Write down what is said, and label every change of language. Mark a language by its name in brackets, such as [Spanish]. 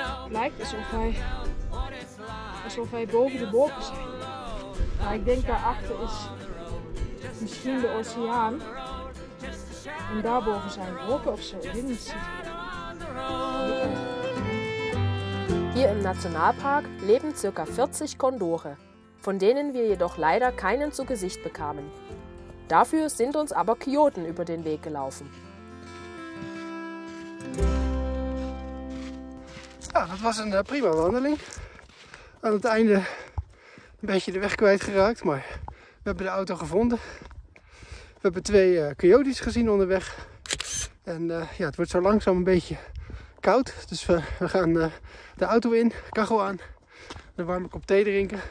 [Dutch] Lijkt alsof wij boven de wolken zijn. Maar ik denk daarachter is misschien de oceaan. En daarboven zijn wolken of zo. Ik weet niet. [German] Hier im Nationalpark leben ca. 40 Kondore, von denen wir jedoch leider keinen zu Gesicht bekamen. Dafür sind uns aber Kojoten über den Weg gelaufen. Ja, das war eine prima Wanderung. [Dutch] Aan het einde [German] ein bisschen den Weg [Dutch] kwijtgeraakt, maar we hebben de auto gefunden. We hebben twee Kojotis gezien onderweg. En ja, het wordt zo langzaam een beetje koud. Dus we gaan de auto in, kachel aan. Een warme kop thee drinken.